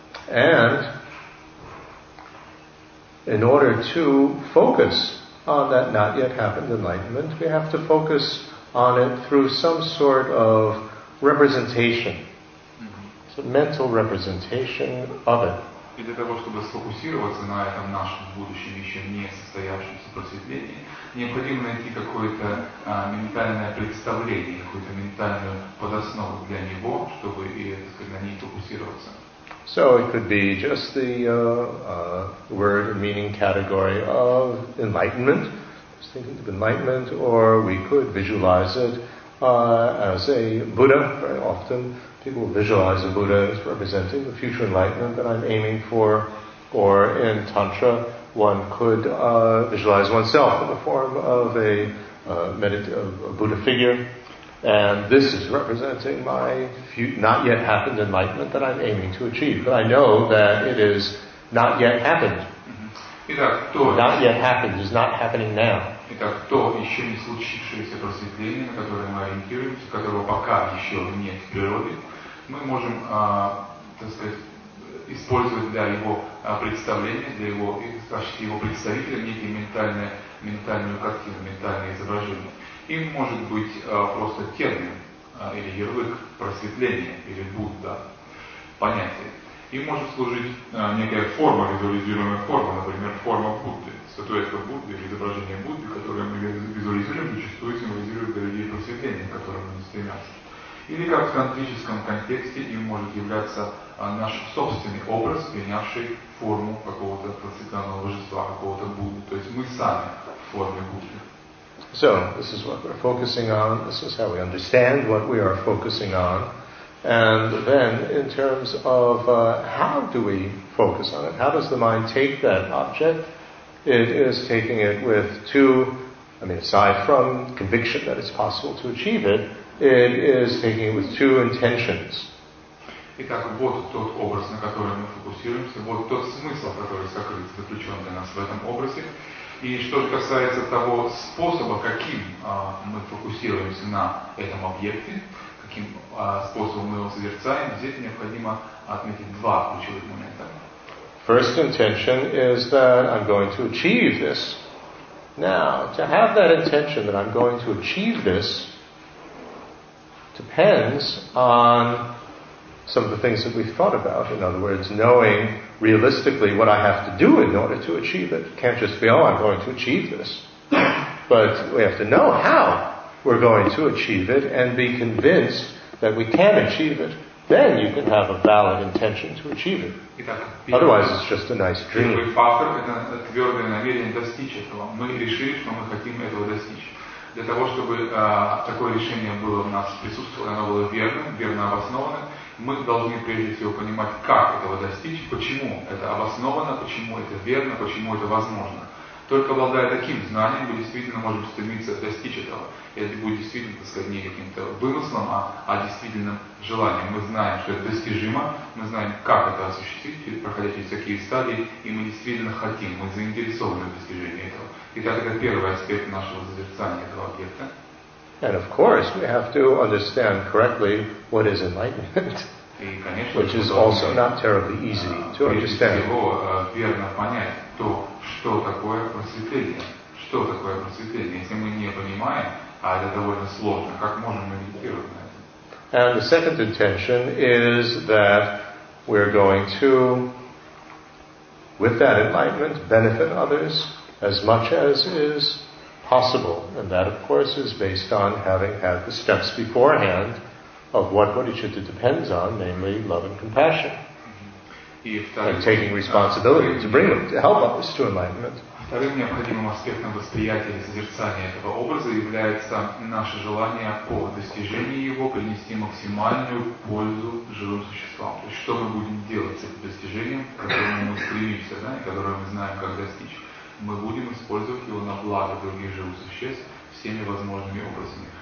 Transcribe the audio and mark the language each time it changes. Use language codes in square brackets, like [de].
[en] And in order to focus on that not yet happened enlightenment, we have to focus on it through some sort of representation. Mental representation of it. [ru] И для того, чтобы сфокусироваться на этом нашем будущем, еще не состоявшемся просветлении, необходимо найти какое-то ментальное представление, какую-то ментальную подоснову для него, чтобы на ней фокусироваться. [en] So it could be just the word and meaning category of enlightenment, just thinking of enlightenment, or we could visualize it as a Buddha very often. People visualize the Buddha as representing the future enlightenment that I'm aiming for, Or in Tantra, one could visualize oneself in the form of a Buddha figure, and this is representing my not yet happened enlightenment that I'm aiming to achieve. But I know that it is not yet happened. [ru] Итак, то, [en] not yet happened is not happening now. [ru] Итак, то еще не случившееся просветление, на которое мы ориентируемся, которого пока еще нет в природе, мы можем, так сказать, использовать для его представления, для его, значит, его представителя некие ментальную картину, ментальное изображение. Им может быть просто термин или ярлык просветления или Будда понятие. И может служить некая форма, визуализируемая форма, например, форма Будды, статуэтка Будды или изображение Будды, которое мы визуализируем, зачастую символизирует для людей просветление, к которому они стремятся. Или как в тантрическом контексте им может являться наш собственный образ, принявший форму какого-то процветанного божества, какого-то Будды. То есть мы сами в форме Будды. [en] So, this is what we're focusing on, this is how we understand what we are focusing on. And then, in terms of how do we focus on it, how does the mind take that object? It is taking it with aside from conviction that it's possible to achieve it, it is taking it with two intentions. [ru] Итак, вот тот образ, на который мы фокусируемся, вот тот смысл, который сокрыт, заключен для нас в этом образе. И что же касается того способа, каким мы фокусируемся на этом объекте, каким способом мы его созерцаем, здесь необходимо отметить два ключевых момента. [en] First intention is that I'm going to achieve this. Now, to have that intention that I'm going to achieve this depends on some of the things that we've thought about. In other words, knowing realistically what I have to do in order to achieve it. Can't just be, oh, I'm going to achieve this. But we have to know how we're going to achieve it and be convinced that we can achieve it. Then you can have a valid intention to achieve it. [ru] Итак, [en] otherwise, it's just a nice dream. [ru] Первый фактор – это твердое намерение достичь этого. Мы решили, что мы хотим этого достичь. Для того, чтобы такое решение было у нас присутствовало, оно было верно обоснованно, мы должны прежде всего понимать, как этого достичь, почему это обосновано, почему это верно, почему это возможно. Только обладая таким знанием, мы действительно можем стремиться достичь этого. И это будет действительно, так сказать, не каким-то вымыслом, а действительно желанием. Мы знаем, что это достижимо, мы знаем, как это осуществить, проходя через такие стадии, и мы действительно хотим, мы заинтересованы в достижении этого. Итак, это первый аспект нашего созерцания этого объекта. [en] And of course, we have to understand correctly what is enlightenment, which is also not terribly easy to understand. [ru] Верно понять то, что такое просветление. Что такое просветление, если мы не понимаем, а это довольно сложно, как можем медитировать на это? [en] And the second intention is that we're going to, with that enlightenment, benefit others as much as is possible, and that of course is based on having had the steps beforehand of what bodhicitta depends on, namely love and compassion. Mm-hmm. And taking responsibility to bring them, to help others to enlightenment. [ru] Вторым необходимым аспектом восприятия и созерцания этого образа является наше желание по достижению его принести максимальную пользу живым существам. То есть что мы будем делать с этим достижением, к которому мы стремимся, да, и которое мы знаем, как достичь. Мы будем использовать его на благо других живых существ всеми возможными образами.